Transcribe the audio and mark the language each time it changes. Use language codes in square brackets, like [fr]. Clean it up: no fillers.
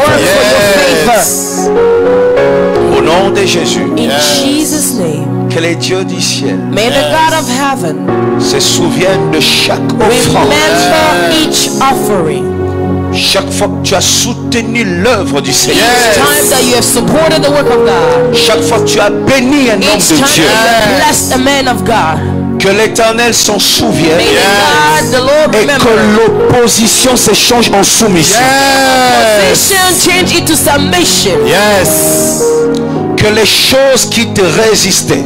[en] Work yes. For your favor. [fr] Au nom de Jésus. [en] In yes. Jesus' name. [fr] Que les dieux du ciel, [en] may the God of heaven, [fr] se souviennent de chaque offrande. [en] Remember yes. Each offering. [fr] Chaque fois que tu as soutenu l'œuvre du Seigneur, [en] each time that you have supported the work of God, [fr] chaque fois que tu as béni un homme de Dieu, [en] blessed a man of God, [fr] que l'Éternel s'en souvienne, [en] may God, the Lord, [fr] et que l'opposition se change en soumission. [en] Opposition change into submission. Yes. [fr] Que les choses qui te résistaient,